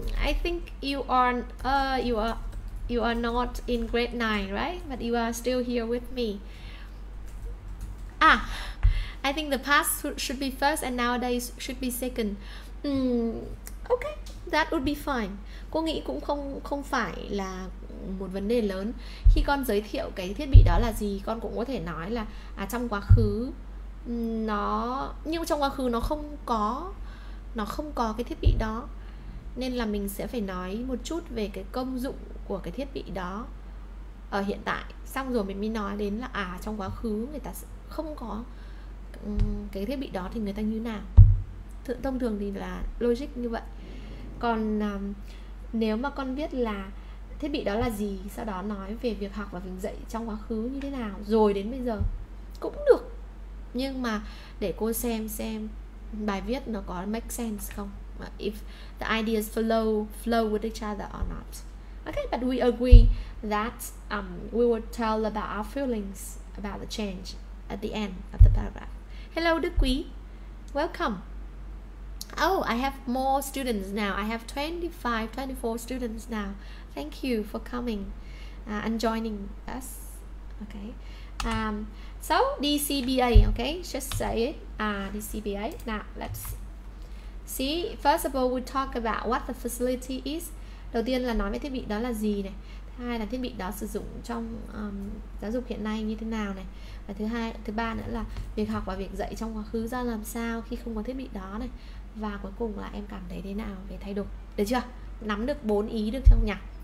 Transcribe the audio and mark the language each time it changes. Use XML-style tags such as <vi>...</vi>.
<en>I think you are not in grade 9, right? But you are still here with me. Ah, I think the past should be first and nowadays should be second. Okay, that would be fine.</en> <vi>Cô nghĩ cũng không phải là một vấn đề lớn. Khi con giới thiệu cái thiết bị đó là gì, con cũng có thể nói là à, trong quá khứ nó, nhưng trong quá khứ nó không có cái thiết bị đó. Nên là mình sẽ phải nói một chút về cái công dụng của cái thiết bị đó ở hiện tại. Xong rồi mình mới nói đến là à, trong quá khứ người ta không có cái thiết bị đó thì người ta như nào. Thông thường thì là logic như vậy. Còn nếu mà con biết là thiết bị đó là gì, sau đó nói về việc học và việc dạy trong quá khứ như thế nào rồi đến bây giờ cũng được. Nhưng mà để cô xem bài viết nó có</vi> <en>make sense không, if the ideas flow with each other or not. Okay, but we agree that we will tell about our feelings about the change at the end of the paragraph. Hello Đức Quý, welcome. Oh, I have more students now. I have 24 students now. Thank you for coming and joining us. Okay. So DCBA, okay? Just say it. DCBA. Now, let's see. First of all, we talk about what the facility is.</en> <vi>Đầu tiên là nói về thiết bị đó là gì này. Thứ hai là thiết bị đó sử dụng trong giáo dục hiện nay như thế nào này. Và thứ ba nữa là việc học và việc dạy trong quá khứ ra làm sao khi không có thiết bị đó này. Và cuối cùng là em cảm thấy thế nào về thay đổi. Được chưa? Nắm được 4 ý được không nhỉ?</vi>